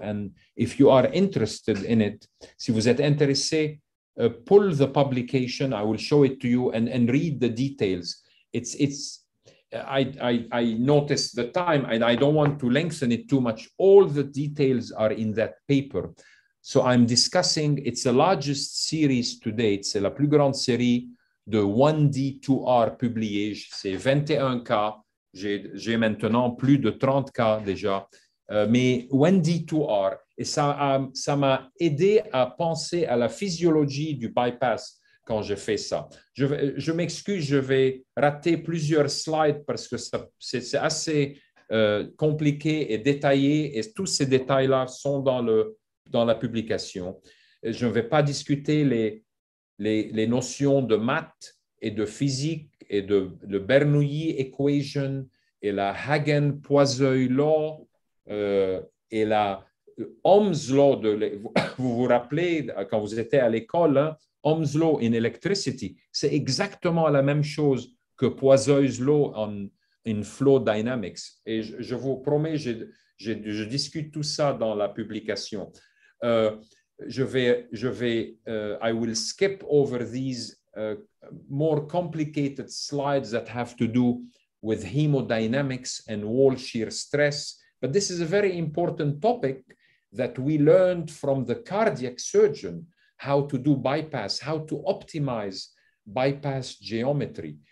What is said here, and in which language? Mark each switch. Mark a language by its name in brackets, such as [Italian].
[English] And if you are interested in it, [French] si vous êtes intéressé, [English] pull the publication. I will show it to you and read the details. I noticed the time, and I don't want to lengthen it too much. All the details are in that paper. So I'm discussing, it's the largest series to date. [French] C'est la plus grande série de 1D2R publié, c'est 21 cas, j'ai maintenant plus de 30 cas déjà, mais 1D2R, et ça m'a aidé à penser à la physiologie du bypass quand j'ai fait ça. Je m'excuse, je vais rater plusieurs slides parce que c'est assez compliqué et détaillé, et tous ces détails-là sont dans la publication. Et je ne vais pas discuter les notions de maths et de physique et de le Bernoulli equation et la Hagen-Poiseuil law et la Ohm's law vous vous rappelez quand vous étiez à l'école, hein, [English] Ohm's law in electricity, [French] c'est exactement la même chose que [English] Poiseuil's law in flow dynamics. [French] Et je vous promets, je discute tout ça dans la publication. [English] I will skip over these more complicated slides that have to do with hemodynamics and wall shear stress. But this is a very important topic that we learned from the cardiac surgeon, how to do bypass, how to optimize bypass geometry.